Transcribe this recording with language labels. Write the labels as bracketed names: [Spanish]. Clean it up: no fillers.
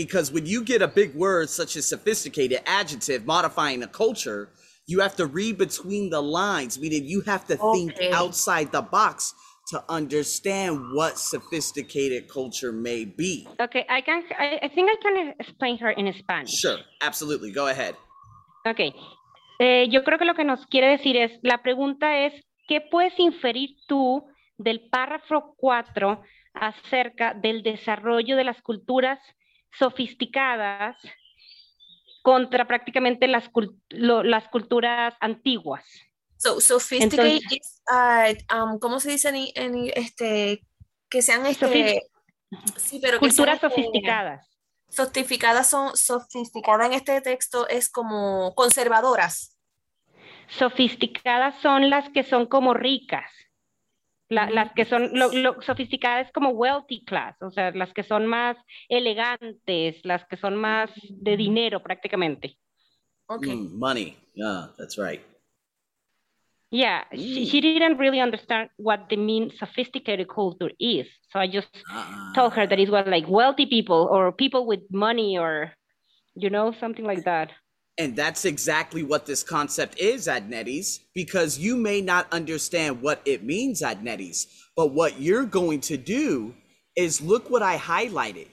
[English] Because when you get a big word such as sophisticated adjective modifying a culture, you have to read between the lines, meaning you have to think outside the box to understand what sophisticated culture may be. Okay, I think I can explain her in Spanish. Sure, absolutely, go ahead. [Spanish] Okay, yo creo que lo que nos quiere decir es, la pregunta es, ¿qué puedes inferir tú del párrafo 4 acerca del desarrollo de las culturas sofisticadas contra prácticamente las culturas antiguas? [English] So sophisticated is [Spanish] ¿cómo se dice en este que sean este sí, pero culturas que sean, sofisticadas. Sofisticadas en este texto es como conservadoras. Sofisticadas son las que son como ricas. Las que son lo sofisticadas es como [English] wealthy class, [Spanish] o sea, las que son más elegantes, las que son más de dinero prácticamente. [English] Okay. Money. Yeah, that's right. Yeah, she didn't really understand what the mean sophisticated culture is. So I just told her that it was like wealthy people or people with money or, you know, something like that. And that's exactly what this concept is, Adnetis, because you may not understand what it means, Adnetis, but what you're going to do is look what I highlighted.